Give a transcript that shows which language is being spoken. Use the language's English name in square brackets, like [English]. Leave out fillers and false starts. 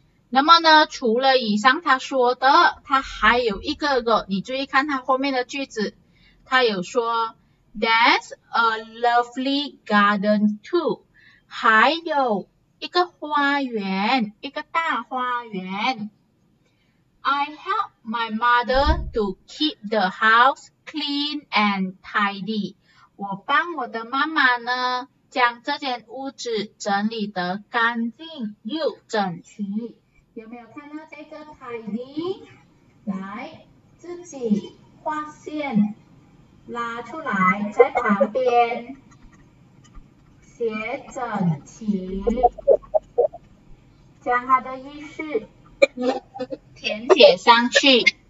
[Chinese] 那么呢，除了以上他说的，他还有一个个，你注意看他后面的句子，他有说 [English] That's a lovely garden too. [Chinese] 还有一个花园，一个大花园。 [English] I help my mother to keep the house clean and tidy. [Chinese] 我帮我的妈妈呢，将这间屋子整理得干净又整齐。有没有看到这个 tidy？ 来，自己画线，拉出来，在旁边写整齐，将他的意思填写上去。